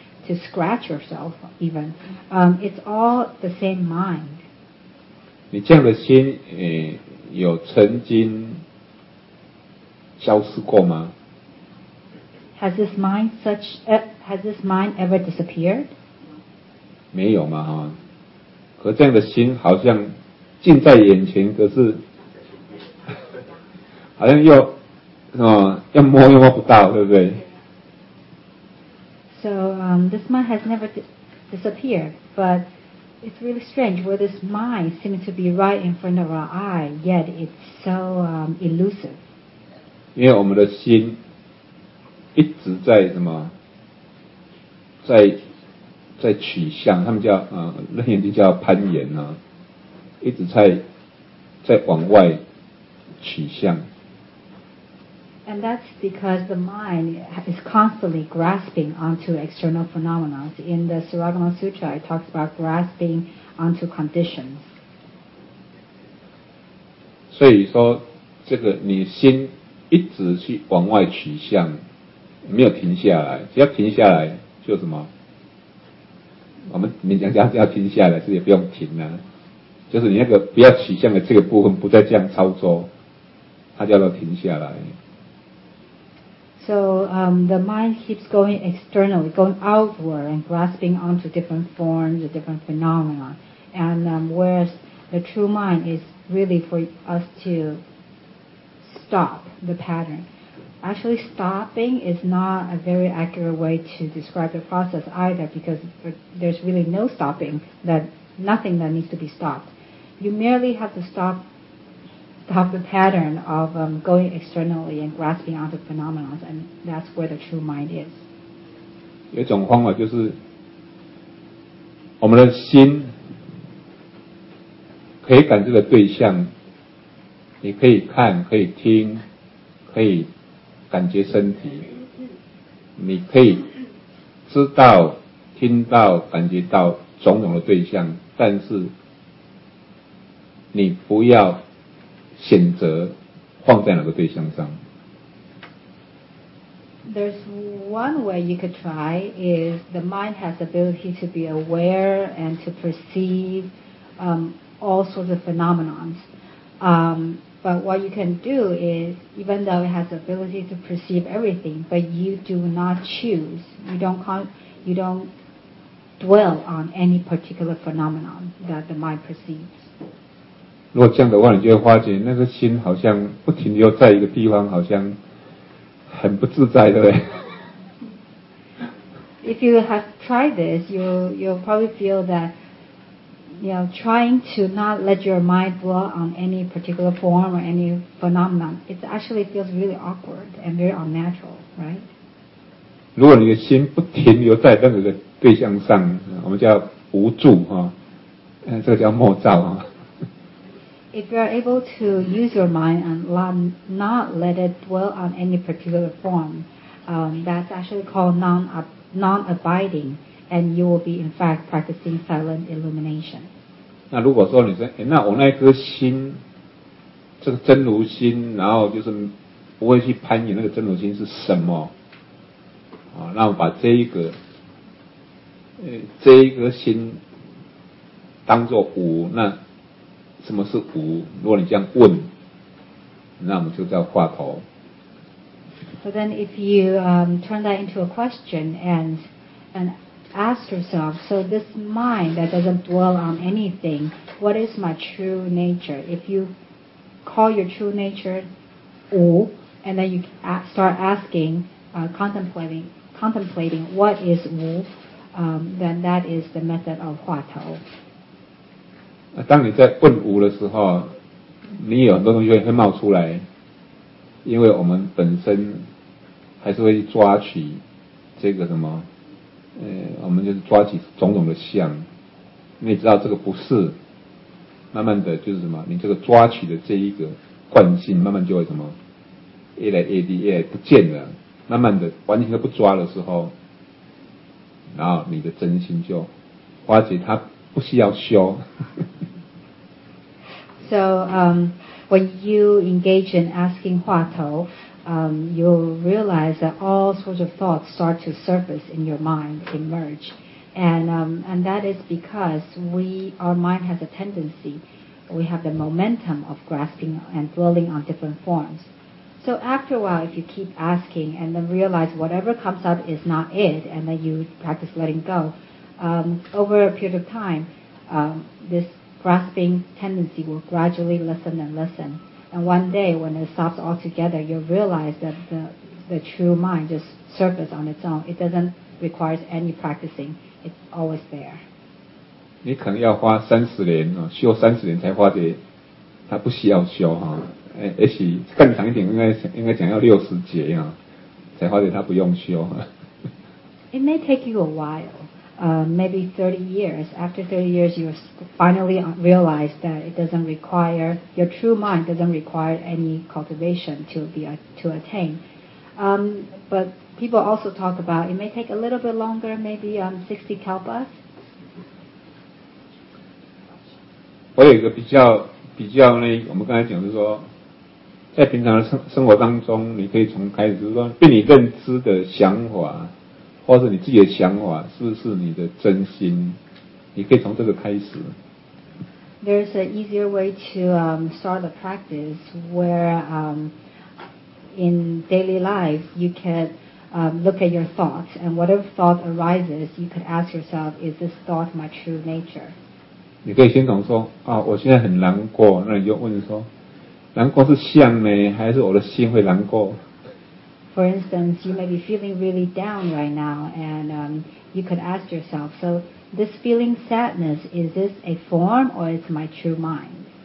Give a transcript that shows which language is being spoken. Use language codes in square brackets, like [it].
[en] To scratch yourself, even it's all the same mind. [zh] 你这样的心，有曾经消失过吗 [en] ？Has this mind such? Has this mind ever disappeared? [zh] 没有嘛，哈。可这样的心好像近在眼前，可是好像又什么，要摸又摸不到，对不对？ [en] So this mind has never disappeared, but it's really strange where this mind seems to be right in front of our eye, yet it's so elusive. [zh] 因为我们的心一直在什么，在取向，他们叫楞严经叫攀岩啊，一直在往外取向。 [en] And that's because the mind is constantly grasping onto external phenomena. In the Suragama Sutra, it talks about grasping onto conditions. [zh] 所以说，这个你心一直去往外取向，没有停下来，只要停下来就什么，我们勉强要停下来是也不用停啊，就是你那个不要取向的这个部分不再这样操作，它叫做停下来。 [en] So, the mind keeps going externally, going outward and grasping onto different forms, different phenomena. And whereas the true mind is really for us to stop the pattern. Actually, stopping is not a very accurate way to describe the process either, because there's really no stopping, that nothing that needs to be stopped. You merely have to stop the pattern of going externally and grasping onto phenomena, and that's where the true mind is. [zh] 有一种方法就是我们的心可以感知的对象，你可以看，可以听，可以感觉身体，你可以知道、听到、感觉到种种的对象，但是你不要选择放在哪个对象上。 [en] There's one way you could try is the mind has the ability to be aware and to perceive all sorts of phenomenons. But what you can do is, even though it has the ability to perceive everything, but you do not choose. You don't dwell on any particular phenomenon that the mind perceives. [zh] 如果这样的话，你就会发觉那个心好像不停留在一个地方，好像很不自在，对不对 [en] ？If you have tried this, you'll probably feel that, you know, trying to not let your mind dwell on any particular form or any phenomenon, it actually feels really awkward and very unnatural, right? [zh] 如果你的心不停留在任何的对象上，我们叫无住哈，这个叫莫照哈。 [en] If you are able to use your mind and not let it dwell on any particular form, that's actually called non-abiding, and you will be in fact practicing silent illumination. [zh] 那如果说你说，那我那颗心，这个真如心，然后就是不会去攀缘那个真如心是什么？啊，那我把这一个心当作无那。什么是无？如果你这样问，那我们就叫话头。 [en] So then, if you turn that into a question and ask yourself, so this mind that doesn't dwell on anything, what is my true nature? If you call your true nature 无, and then you start asking, contemplating what is 无, then that is the method of 话头。 [zh] 当你在问无的时候，你有很多东西会冒出来，因为我们本身还是会抓取这个什么，我们就是抓取种种的相。你知道这个不是，慢慢的就是什么，你这个抓取的这一个惯性，慢慢就会什么，越来越低，越来不见了。慢慢的，完全都不抓的时候，然后你的真心就发觉它不需要修。 [en] So when you engage in asking 话头, you'll realize that all sorts of thoughts start to surface in your mind, emerge. And that is because our mind has a tendency, we have the momentum of grasping and dwelling on different forms. So after a while, if you keep asking and then realize whatever comes up is not it, and then you practice letting go, over a period of time, this... grasping tendency will gradually lessen and lessen. And one day when it stops altogether, you'll realize that the true mind just surfaces on its own. It doesn't require any practicing. It's always there. [zh] 你可能要花三十年，修三十年才发觉它不需要修，也许更长一点应该讲要六十劫，才发觉它不用修。 [en] It may take you a while. Maybe 30 years. After 30 years, you finally realize that it doesn't require, your true mind doesn't require any cultivation to attain. But people also talk about it may take a little bit longer, maybe 60 kalpas. [zh] 我有一个比较那，我们刚才讲的是说，在平常的生活当中，你可以从开始说，被你认知的想法，或者你自己的想法，是不是你的真心？你可以从这个开始。 [en] There's an easier way to start a practice where in daily life you can look at your thoughts, and whatever thought arises, you could ask yourself, is this thought my true nature? [zh] 你可以先从说啊，我现在很难过，那你就问说。难过是相呢，还是我的心会难过 [en] ？For instance, you may be feeling really down right now, and you could ask yourself, so this feeling sadness is this a form or is my true mind?